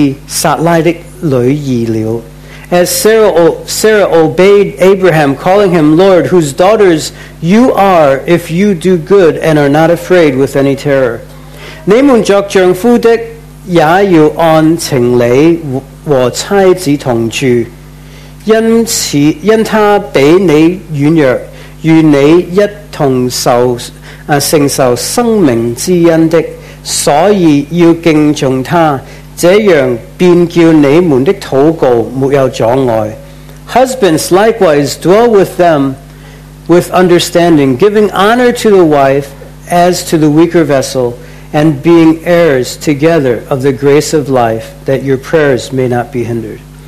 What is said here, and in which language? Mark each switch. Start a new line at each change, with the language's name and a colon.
Chinese: 就与撒拉听从阿伯拉罕，称为称他为主。你们若行善，不因恐吓而害怕，便是撒拉的女儿了。
English: As Sarah obeyed Abraham, calling him Lord, whose daughters you are if you do good and are not afraid with any terror.
Chinese: 你们作丈夫的也要按情理和妻子同住，因他比你软弱，与你一同承受生命之恩的，所以要敬重他。
English: Husbands, likewise, dwell with them with understanding, giving honor to the wife as to the weaker vessel, and being heirs together of the grace of life, that your prayers may not be hindered.